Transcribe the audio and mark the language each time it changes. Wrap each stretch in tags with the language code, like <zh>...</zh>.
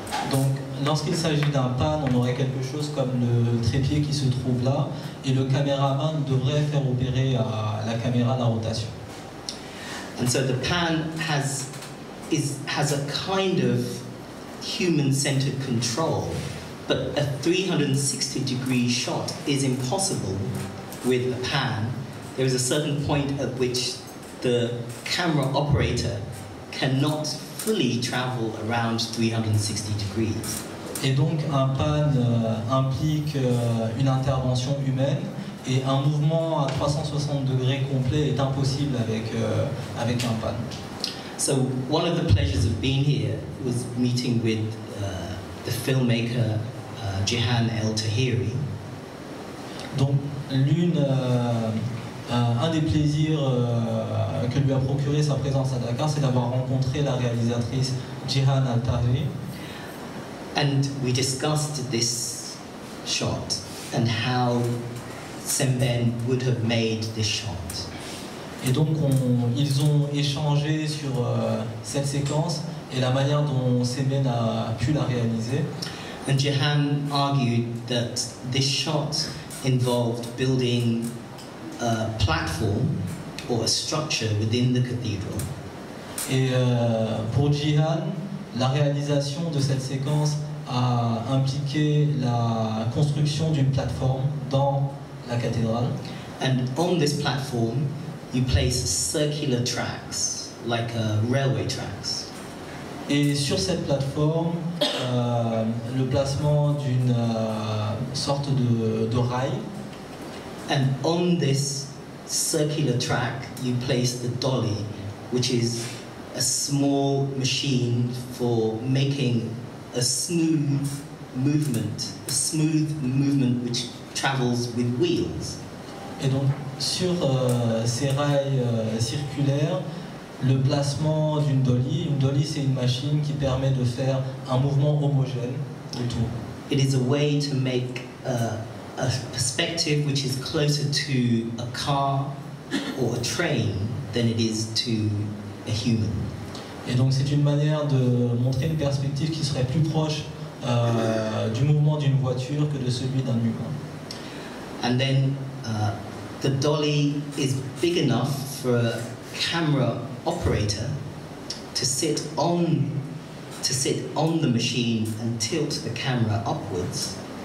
<fr>Donc, lorsqu'il s'agit d'un pan, on aurait quelque chose comme le trépied qui se trouve là, et le caméraman devrait faire opérer à la caméra la rotation.</fr> <en>And so the pan has a kind of human-centered control, but a 360-degree shot is impossible with a pan. There is a certain point at which the camera operator cannot fully travel around 360 degrees.</en> <fr>Et donc un pan implique une intervention humaine et un mouvement à 360 degrés complet est impossible avec un pan.</fr> <en>So one of the pleasures of being here was meeting with the filmmaker Jihan El Tahiri.</en> <fr>Donc l'une un des plaisirs que lui a procuré sa présence à Dakar, c'est d'avoir rencontré la réalisatrice Jihan El Tahiri.</fr> <en>And we discussed this shot and how Semben would have made this shot.</en> <fr>Et donc ils ont échangé sur cette séquence et la manière dont Semben a pu la réaliser.</fr> <en>And Jihan argued that this shot involved building a platform or a structure within the cathedral.</en> <fr>Et pour Jihan, la réalisation de cette séquence a impliqué la construction d'une plateforme dans la cathédrale.</fr> <en>And on this platform, you place circular tracks, like railway tracks.</en> <fr>Et sur cette plateforme, le placement d'une sorte de rail.</fr> <en>And on this circular track, you place the dolly, which is a small machine for making a smooth movement which travels with wheels.</en> <fr>Et donc sur ces rails circulaires, le placement d'une dolly. Une dolly, c'est une machine qui permet de faire un mouvement homogène autour.</fr> <en>It is a way to make a perspective which is closer to a car or a train than it is to a human.</en> <fr>Et donc c'est une manière de montrer une perspective qui serait plus proche du mouvement d'une voiture que de celui d'un humain.</fr> <en>And then the dolly is big enough for a camera operator to sit on the machine and tilt the camera upwards.</en>